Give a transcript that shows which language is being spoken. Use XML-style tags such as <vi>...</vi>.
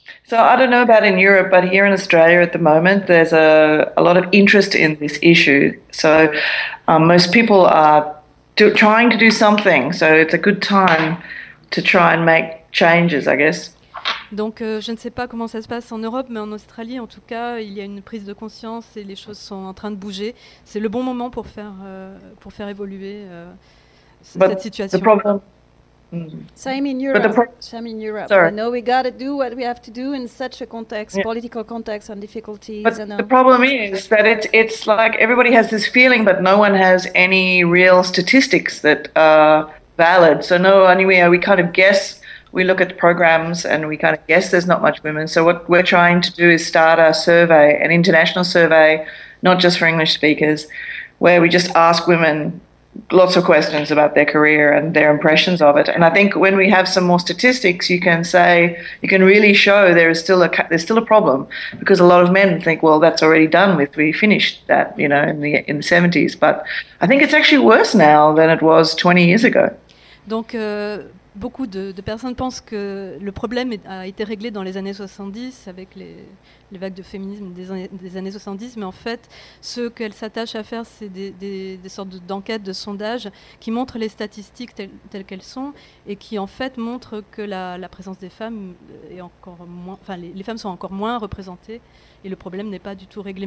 <en>So I don't know about in Europe, but here in Australia at the moment, there's a lot of interest in this issue. So most people are trying to do something. So it's a good time to try and make changes, I guess.</en> <fr>Donc, je ne sais pas comment ça se passe en Europe, mais en Australie, en tout cas, il y a une prise de conscience et les choses sont en train de bouger. C'est le bon moment pour faire évoluer cette situation.</fr> <en>Same in Europe. Sorry. I know we got to do what we have to do in such a context, political context and difficulties. But and the problem is that it's like everybody has this feeling, but no one has any real statistics that are valid. So no, anyway, we kind of guess. We look at the programs and we kind of guess there's not much women. So what we're trying to do is start a survey, an international survey, not just for English speakers, where we just ask women lots of questions about their career and their impressions of it. And I think when we have some more statistics, you can say, you can really show there's still a problem, because a lot of men think, well, that's already done with, we finished that, you know, in the 70s. But I think it's actually worse now than it was 20 years ago.</en> <fr>Donc, beaucoup de personnes pensent que le problème a été réglé dans les années 70 avec les vagues de féminisme des années 70, mais en fait, ce qu'elles s'attachent à faire, c'est des sortes d'enquêtes, de sondages qui montrent les statistiques telles qu'elles sont et qui en fait montrent que la présence des femmes est encore moins, enfin les femmes sont encore moins représentées et le problème n'est pas du tout réglé.</fr>